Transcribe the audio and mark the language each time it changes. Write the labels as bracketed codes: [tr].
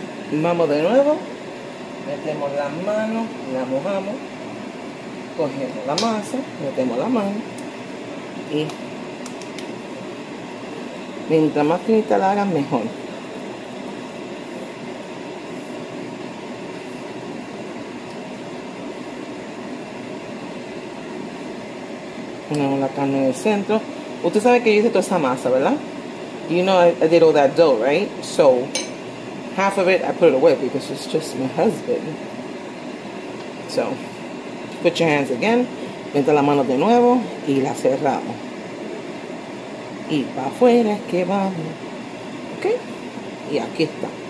[es] Vamos de nuevo, metemos las manos, la mojamos, cogemos la masa, metemos la mano y mientras más finita la hagan, mejor. Ponemos la carne en el centro. Usted sabe que yo hice toda esa masa, ¿verdad? [en] You know I did all that dough, right? So half of it, I put it away because it's just my husband. So, put your hands again. [es] Mete la mano de nuevo y la cerramos. Y para afuera es que vamos. Ok? Y aquí está.